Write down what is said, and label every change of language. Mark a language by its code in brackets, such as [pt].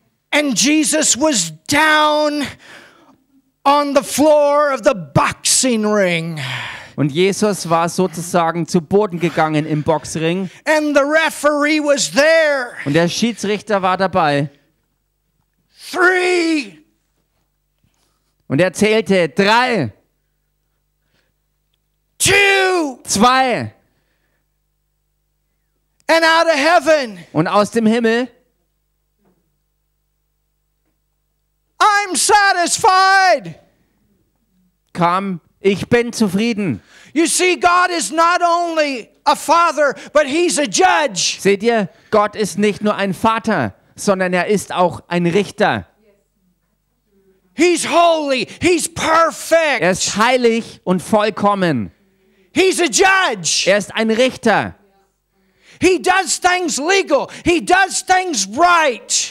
[en] And Jesus was down on the floor of the boxing ring. [de] Und Jesus war sozusagen zu Boden gegangen im Boxring. [en] And the referee was there. [de] Und der Schiedsrichter war dabei. [en] Three. [de] Und er zählte drei. [en] Two. [de] Zwei. [en] And out of heaven. [de] Und aus dem Himmel. [en] I'm satisfied. [de] Komm, ich bin zufrieden. [en] You see, God is not only a father, but he's a judge. [de] Seht ihr, Gott ist nicht nur ein Vater, sondern er ist auch ein Richter. [en] He's holy, he's perfect. [de] Er ist heilig und vollkommen. [en] He's a judge. [de] Er ist ein Richter. [en] He does things legal. He does things right.